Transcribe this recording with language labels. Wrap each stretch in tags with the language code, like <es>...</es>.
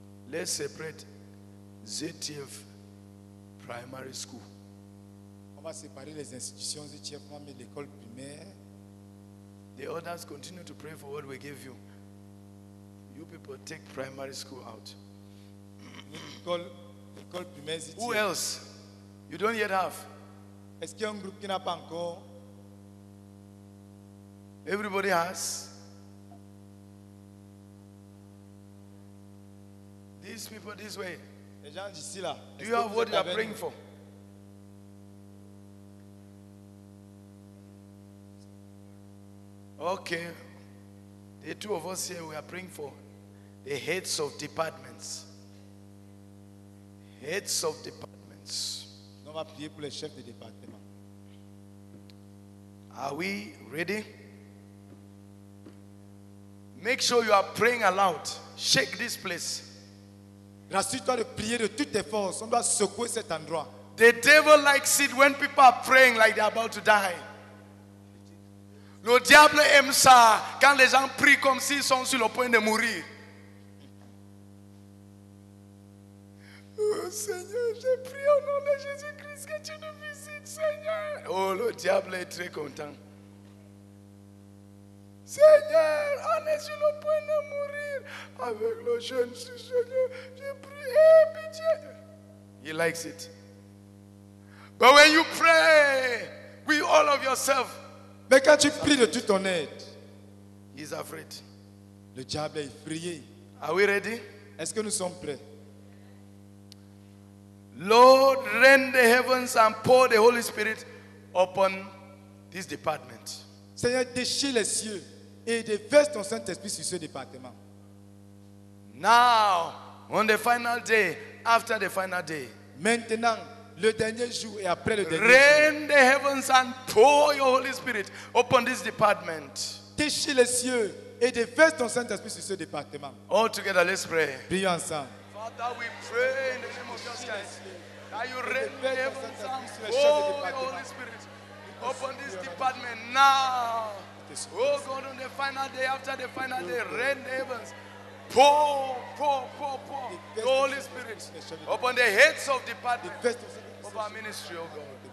<en>Let's separate ZTF primary school.</en> <fr>On va séparer les institutions ZTF, mais l'école primaire.</fr> <en>The others continue to pray for what we give you. You people take primary school out.</en> <fr>L'école primaire ZTF.</fr> <en>Who else? You don't yet have.</en> <fr>Est-ce qu'il y a un groupe qui n'a pas encore?</fr> <en>Everybody has. These people this way.</en> <fr>Les gens d'ici là.</fr> <en>Do you have what you are praying for? Okay. The two of us here, we are praying for the heads of departments. Heads of departments.</en> <fr>On va prier pour les chefs de département.</fr> <en>Are we ready? Make sure you are praying aloud. Shake this place.</en> <fr>Rassure-toi de prier de toutes tes forces. On doit secouer cet endroit.</fr> <en>The devil likes it when people are praying like they're about to die.</en> <fr>Le diable aime ça quand les gens prient comme s'ils sont sur le point de mourir. Oh Seigneur, je prie au nom de Jésus-Christ que tu nous visites, Seigneur. Oh, le diable est très content. Seigneur, on est sur le point de mourir avec le jeune Seigneur. Je prie, pitié.</fr> <en>He likes it. But when you pray with all of yourself,</en> <fr>mais quand tu pries de toute ton aide,</fr> <en>he's afraid.</en> <fr>Le diable est effrayé.</fr> <en>Are we ready?</en> <fr>Est-ce que nous sommes prêts?</fr> <en>Lord, rend the heavens and pour the Holy Spirit upon this department.</en> <fr>Seigneur, déchire les cieux et déverse ton Saint-Esprit sur ce département.</fr> <en>Now, on the final day, after the final day.</en> <fr>Maintenant, le dernier jour et après le dernier</fr> <en>rain</en> <fr>jour.</fr> <en>Rain the heavens and pour your Holy Spirit upon this department.</en> <fr>Déchire les cieux et déverse ton Saint-Esprit sur ce département.</fr> <en>All together, let's pray.</en> <fr>Prions ensemble.</fr> <en>Father, we pray in the name of Jesus Christ. That you rain the heavens and pour your Holy Spirit upon this department now. Oh God, on the final day, after the final day, rain the heavens. Pour the Holy Spirit upon the heads of department of our ministry, oh God.</en>